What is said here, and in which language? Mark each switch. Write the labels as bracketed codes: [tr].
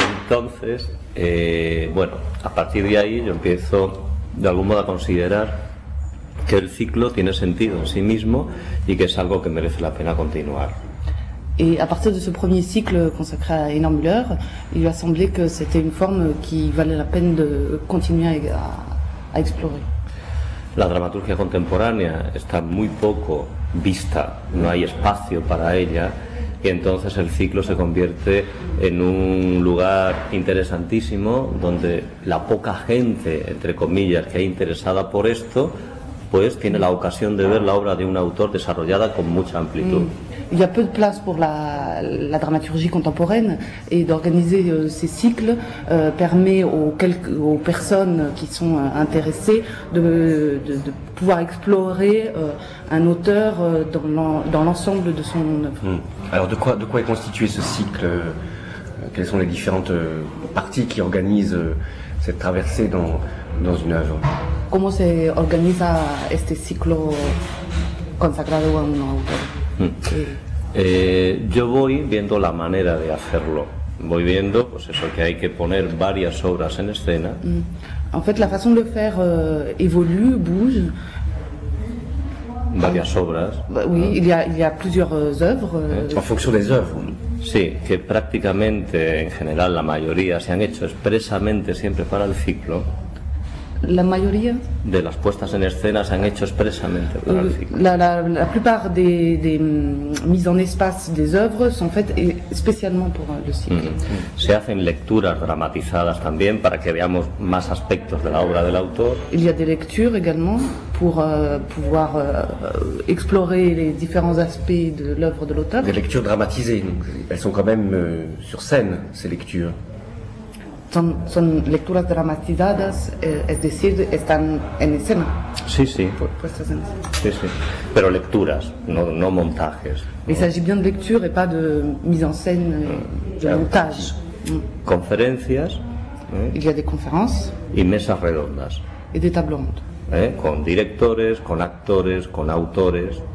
[es] Entonces, bueno, a partir de ahí yo empiezo de algún modo a considerar que el ciclo tiene sentido en sí mismo y que es algo que merece la pena continuar. [fr] Y a partir de ce premier cycle consacré à Heiner Müller, il lui a semblé que c'était une forme qui valait la peine de continuer à explorer. [es] La dramaturgia contemporánea está muy poco vista, no hay espacio para ella, y entonces el ciclo se convierte en un lugar interesantísimo donde la poca gente, entre comillas, que hay interesada por esto, pues tiene la ocasión de ver la obra de un autor desarrollada con mucha amplitud. [fr] Il y a peu de place pour la dramaturgie contemporaine et d'organiser ces cycles permet aux personnes qui sont intéressées de pouvoir explorer un auteur dans l'ensemble de son œuvre. Alors de quoi est constitué ce cycle? Quelles sont les différentes parties qui organisent cette traversée dans une œuvre? [es] ¿Cómo se organiza este ciclo consagrado a un autor? Yo voy viendo la manera de hacerlo. Voy viendo, pues eso, que hay que poner varias obras en escena. [fr] En fait, la façon de faire évolue, bouge. [es] Varias obras. [fr] Oui, ¿no? il y a plusieurs œuvres. En fonction des œuvres. [es] Sí, que prácticamente, en general, la mayoría se han hecho expresamente siempre para el ciclo. La mayoría de las puestas en escena se han hecho expresamente para el ciclo. [fr] La plupart des mises en espace des œuvres sont faites spécialement pour le cycle. [es] Se hacen lecturas dramatizadas también para que veamos más aspectos de la obra del autor. [fr] Il y a des lectures également pour pouvoir explorer les différents aspects de l'œuvre de l'auteur. Des lectures dramatisées, donc elles sont quand même sur scène, ces lectures. [es] Son lecturas dramatizadas, es decir, están en escena. Sí, sí. Puestas en escena. Sí, sí. Pero lecturas, no montajes. [fr] Il s'agit bien de lectures et pas de mise en scène, de montage. [es] Conferencias. [fr] Il y a des conférences. [es] Y mesas redondas. [fr] Et des tables rondes. [es] Con directores, con actores, con autores.